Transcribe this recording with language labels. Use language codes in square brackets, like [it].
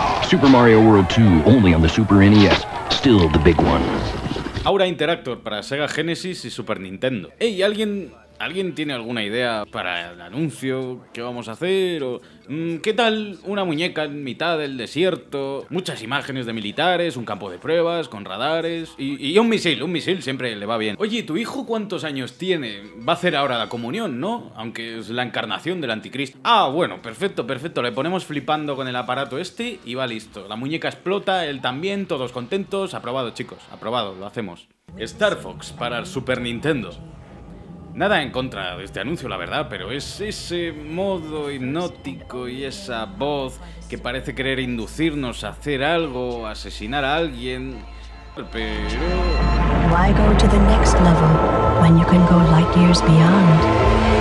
[en] Super Mario World 2, only on the Super NES, still the big one. [es] Aura Interactor para Sega Genesis y Super Nintendo. Ey, ¿alguien tiene alguna idea para el anuncio? ¿Qué vamos a hacer? O, ¿qué tal una muñeca en mitad del desierto? Muchas imágenes de militares, un campo de pruebas, con radares... Y un misil siempre le va bien. Oye, ¿tu hijo cuántos años tiene? Va a hacer ahora la comunión, ¿no? Aunque es la encarnación del anticristo. Ah, bueno, perfecto. Le ponemos flipando con el aparato este y va listo. La muñeca explota, él también, todos contentos. Aprobado, chicos. Aprobado, lo hacemos. Star Fox para el Super Nintendo. Nada en contra de este anuncio, la verdad, pero es ese modo hipnótico y esa voz que parece querer inducirnos a hacer algo, asesinar a alguien... Pero... [en] Why go to the next level when you can go light years beyond?